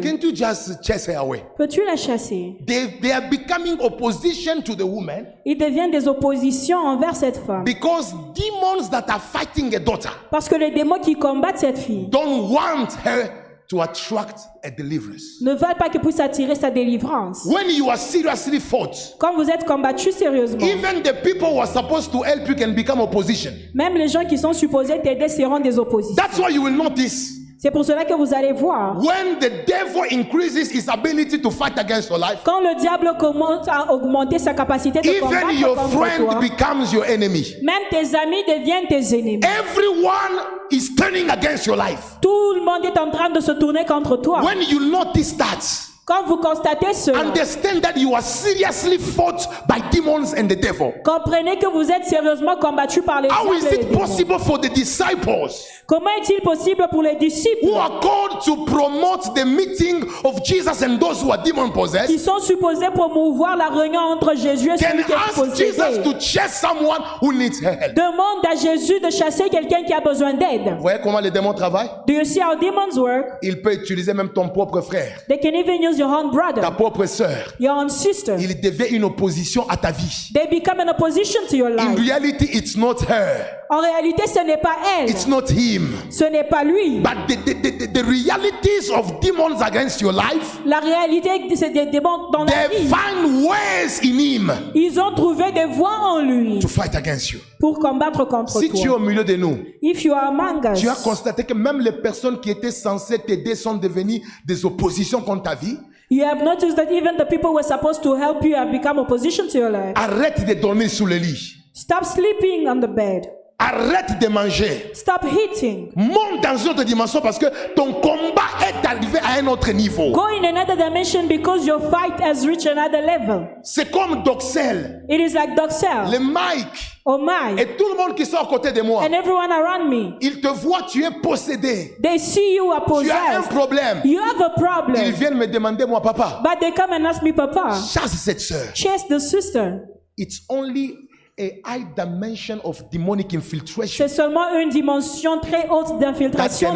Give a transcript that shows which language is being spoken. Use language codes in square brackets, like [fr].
[en] Can't you just chase her away? [fr] Peux-tu la chasser? [en] They are becoming opposition to the woman. [fr] Ils deviennent des oppositions envers cette femme. [en] Because demons that are fighting a daughter. [fr] Parce que les démons qui combattent cette fille. [en] Don't want her to attract a deliverance. [fr] Ne veulent pas qu'elle puisse attirer sa délivrance. [en] When you are seriously fought. [fr] Quand vous êtes combattu sérieusement. [en] Even the people who are supposed to help you can become opposition. [fr] Même les gens qui sont supposés t'aider seront des oppositions. [en] That's why you will notice. [fr] C'est pour cela que vous allez voir. [en] When the devil increases his ability to fight against your life, [fr] quand le diable commence à augmenter sa capacité de combattre contre toi, [en] your friend becomes your enemy. [fr] Même tes amis deviennent tes ennemis. [en] Everyone is turning against your life. [fr] Tout le monde est en train de se tourner contre toi. [en] When you notice that, [fr] quand vous constatez cela, [en] understand that you are seriously fought by demons and the devil. [fr] Comprenez que vous êtes sérieusement combattu par les démons. [en] How is it possible for the disciples? [fr] Comment est-il possible pour les disciples? [en] Who are called to promote the meeting of Jesus and those who are demon possessed? [fr] Qui sont supposés promouvoir la réunion entre Jésus et celui qui est possédé? [en] Can ask Jesus to chase someone who needs help. [fr] Demande à Jésus de chasser quelqu'un qui a besoin d'aide. Vous voyez comment les démons travaillent? [en] Do you see how demons work? [fr] Il peut utiliser même ton propre frère. [en] They can even your own brother, [fr] ta propre sœur, [en] your own sister. [fr] Il devient une opposition à ta vie. [en] They become an opposition to your life. In reality, it's not her. [fr] En réalité, ce n'est pas elle. [en] It's not him. [fr] Ce n'est pas lui. [en] But the realities of demons against your life. [fr] La réalité c'est des démons dans la vie. [en] They find ways in him. [fr] Ils ont trouvé des voies en lui. [en] To fight against you. [fr] Pour combattre contre si toi. Si tu es au milieu de nous. [en] If you are among us. [fr] Tu as constaté que même les personnes qui étaient censées t'aider sont devenues des oppositions contre ta vie. [en] You have noticed that even the people who were supposed to help you have become opposition to your life. [fr] Arrête de dormir sous le lit. [en] Stop sleeping on the bed. [fr] Arrête de manger. [en] Stop eating. [fr] Monte dans une autre dimension parce que ton combat est arrivé à un autre niveau. [en] Go in another dimension because your fight has reached another level. [fr] C'est comme Doxel. [en] It is like Doxel. [fr] Le mic. [en] Oh my. [fr] Et tout le monde qui sort à côté de moi. [en] And everyone around me. [fr] Ils te voient, tu es possédé. [en] They see you are possessed. [fr] Tu as un problème. [en] You have a problem. [fr] Ils viennent me demander moi papa. [en] But they come and ask me papa. [fr] Chasse cette sœur. [en] Chase the sister. It's only a high dimension of demonic infiltration. [fr] C'est seulement une dimension très haute d'infiltration